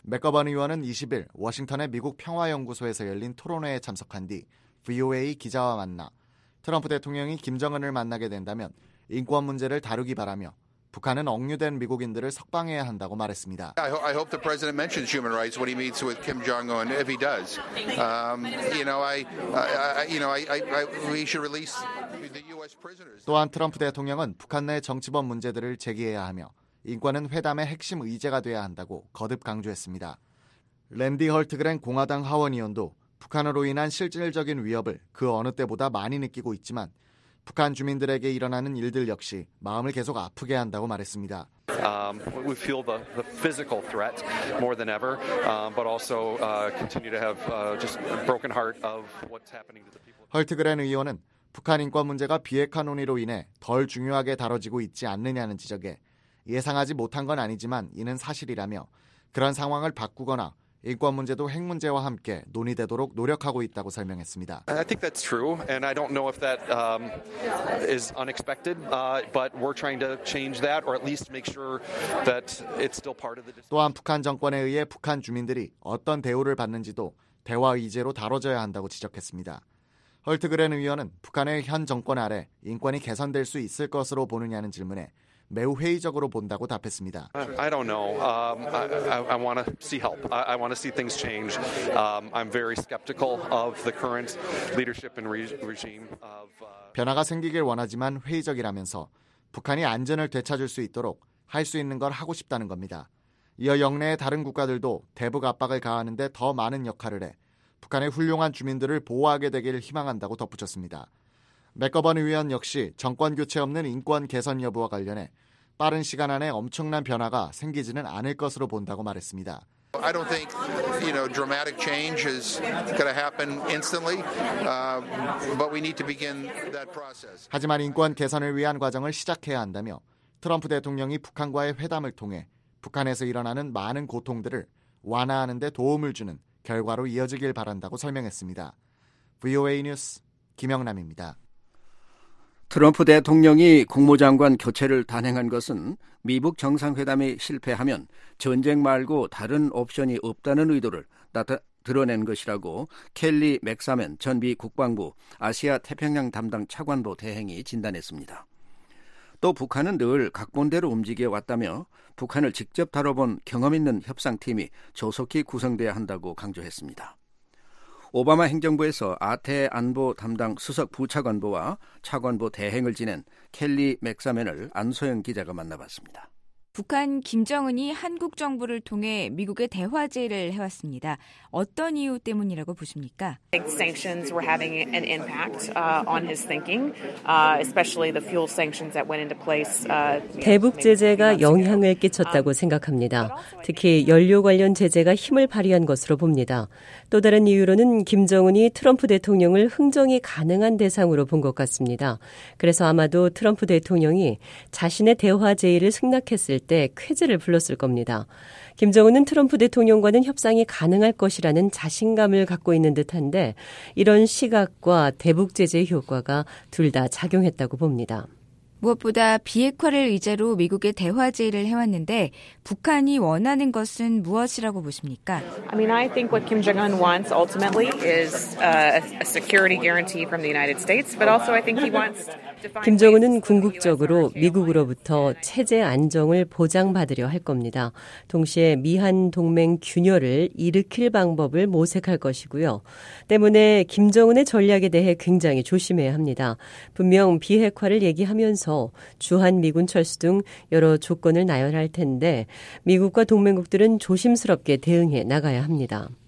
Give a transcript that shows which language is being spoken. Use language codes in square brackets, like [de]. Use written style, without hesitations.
[ko] 의원은 20일 워싱턴의 미국 평화연구소에서 열린 토론회에 참석한 뒤 VOA 기자와 만나 트럼프 대통령이 김정은을 만나게 된다면 인권 문제를 다루기 바라며 북한은 억류된 미국인들을 석방해야 한다고 말했습니다. [en] I hope the president mentions human rights when he meets with Kim Jong-un. If he does, we should release the U.S. prisoners. [ko] 또한 트럼프 대통령은 북한 내 정치범 문제들을 제기해야 하며 인권은 회담의 핵심 의제가 돼야 한다고 거듭 강조했습니다. 랜디 헐트그랜 공화당 하원 의원도 북한으로 인한 실질적인 위협을 그 어느 때보다 많이 느끼고 있지만 북한 주민들에게 일어나는 일들 역시 마음을 계속 아프게 한다고 말했습니다. [en] We feel the physical threat more than ever, but also continue to have just a broken heart of what's happening to the people. [ko] 헐트그랜 의원은 북한 인권 문제가 비핵화 논의로 인해 덜 중요하게 다뤄지고 있지 않느냐는 지적에 예상하지 못한 건 아니지만 이는 사실이라며 그런 상황을 바꾸거나 인권 문제도 핵 문제와 함께 논의되도록 노력하고 있다고 설명했습니다. [en] I think that's true, and I don't know if that is unexpected, but we're trying to change that, or at least make sure that it's still part of the. [ko] 또한 북한 정권에 의해 북한 주민들이 어떤 대우를 받는지도 대화 의제로 다뤄져야 한다고 지적했습니다. 헐트그렌 의원은 북한의 현 정권 아래 인권이 개선될 수 있을 것으로 보느냐는 질문에 매우 회의적으로 본다고 답했습니다. [en] I don't know. I want to see help. I want to see things change. I'm very skeptical of the current leadership and regime of. [ko] 변화가 생기길 원하지만 회의적이라면서 북한이 안전을 되찾을 수 있도록 할 수 있는 걸 하고 싶다는 겁니다. 이어 영내의 다른 국가들도 대북 압박을 가하는 데 더 많은 역할을 해 북한의 훌륭한 주민들을 보호하게 되기를 희망한다고 덧붙였습니다. 맥거번 의원 역시 정권교체 없는 인권 개선 여부와 관련해 빠른 시간 안에 엄청난 변화가 생기지는 않을 것으로 본다고 말했습니다. [en] I don't think, you know, dramatic change is going to happen instantly, but we need to begin that process. [ko] 하지만 인권 개선을 위한 과정을 시작해야 한다며 트럼프 대통령이 북한과의 회담을 통해 북한에서 일어나는 많은 고통들을 완화하는 데 도움을 주는 결과로 이어지길 바란다고 설명했습니다. VOA 뉴스 김영남입니다. 트럼프 대통령이 국무장관 교체를 단행한 것은 미북 정상회담이 실패하면 전쟁 말고 다른 옵션이 없다는 의도를 드러낸 것이라고 켈리 맥사멘 전 미 국방부 아시아 태평양 담당 차관보 대행이 진단했습니다. 또 북한은 늘 각본대로 움직여 왔다며 북한을 직접 다뤄본 경험 있는 협상팀이 조속히 구성돼야 한다고 강조했습니다. 오바마 행정부에서 아태 안보 담당 수석 부차관보와 차관보 대행을 지낸 켈리 맥사멘을 안소영 기자가 만나봤습니다. 북한 김정은이 한국 정부를 통해 미국의 대화 제의를 해왔습니다. 어떤 이유 때문이라고 보십니까? [en] Sanctions were having an impact on his thinking, especially the fuel sanctions that went into place. [ko] 대북 제재가 영향을 끼쳤다고 생각합니다. 특히 연료 관련 제재가 힘을 발휘한 것으로 봅니다. 또 다른 이유로는 김정은이 트럼프 대통령을 흥정이 가능한 대상으로 본 것 같습니다. 그래서 아마도 트럼프 대통령이 자신의 대화 제의를 승낙했을 때 쾌재를 불렀을 겁니다. 김정은은 트럼프 대통령과는 협상이 가능할 것이라는 자신감을 갖고 있는 듯한데 이런 시각과 대북 제재의 효과가 둘 다 작용했다고 봅니다. 무엇보다 비핵화를 의제로 미국의 대화 제의를 해왔는데 북한이 원하는 것은 무엇이라고 보십니까? [en] I mean, I think what Kim Jong-un wants ultimately is a security guarantee from the United States, but also I think he wants. [ko] 김정은은 궁극적으로 미국으로부터 체제 안정을 보장받으려 할 겁니다. 동시에 미한 동맹 균열을 일으킬 방법을 모색할 것이고요. 때문에 김정은의 전략에 대해 굉장히 조심해야 합니다. 분명 비핵화를 얘기하면서 주한미군 철수 등 여러 조건을 나열할 텐데 미국과 동맹국들은 조심스럽게 대응해 나가야 합니다.